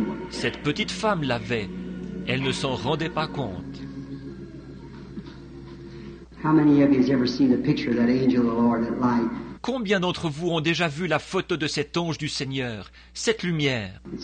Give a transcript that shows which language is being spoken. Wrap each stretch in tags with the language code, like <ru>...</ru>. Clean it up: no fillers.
<fr>Cette petite femme l'avait. Elle ne s'en rendait pas compte.</fr> <en>How many of you have ever seen the picture of that angel of the Lord at light?</en> <fr>Combien d'entre vous ont déjà vu la photo de cet ange du Seigneur, cette lumière?</fr>